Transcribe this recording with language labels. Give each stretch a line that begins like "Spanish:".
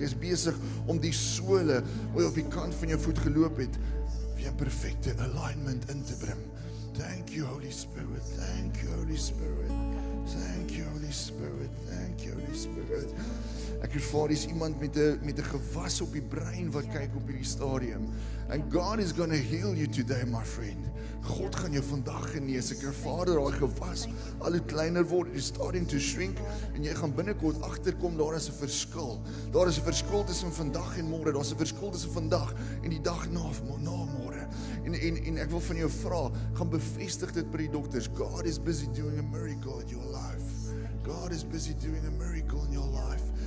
Afrikaans: Hy is besig om die sole wat op die kant van jou voet geloop het weer in perfekte alignment in te bring.
English: Thank you Holy Spirit. Thank you Holy Spirit. Thank you Holy Spirit. Thank you Holy Spirit.
Afrikaans: Ek ervaar is iemand met 'n gewas op die brein wat kyk op hierdie stadium.
English: And God is going to heal you today, my friend.
Afrikaans: God gaan jou vandag genees. Ek ervaar daai gewas al hoe kleiner word,
English: it's starting to shrink
Afrikaans: en jy gaan binnekort agterkom daar is 'n verskil. Daar is 'n verskil tussen vandag en môre. Daar's 'n verskil tussen vandag en die dag na môre. En ek wil van jou vra, gaan bevestig dit by die dokters.
English: God is busy doing a miracle in your life. God is busy doing a miracle in your life.